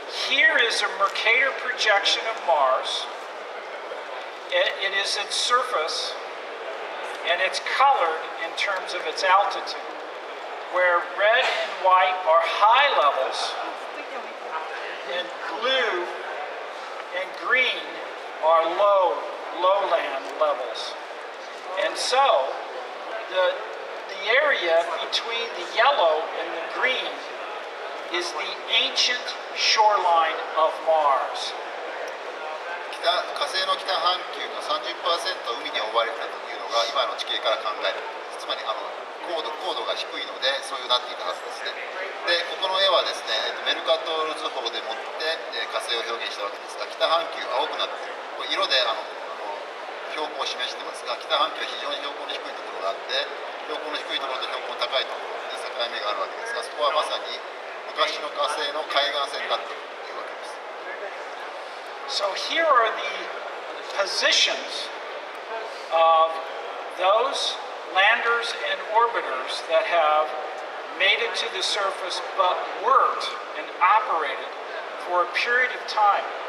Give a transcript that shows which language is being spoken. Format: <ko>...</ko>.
<en>Here is a Mercator projection of Mars. It is its surface, and it's colored in terms of its altitude, where red and white are high levels, and blue and green are lowland levels. And so, the area between the yellow and the green is the ancient shoreline of Mars.</en> <ja>火星の北半球の 30% 海に覆われたというのが今の地形から考えると、つまり高度が低いのでそういうなっていたはずですね。で、ここの絵はですね、メルカトール図法でもって火星を表現したわけですが、北半球は青くなっている。色で標高を示していますが、北半球は非常に標高の低いところがあって、標高の低いところと標高の高いところに境目があるわけですが、そこはまさに昔の火星の海岸線だった。</ja> <en>So here are the positions of those landers and orbiters that have made it to the surface but worked and operated for a period of time.</en>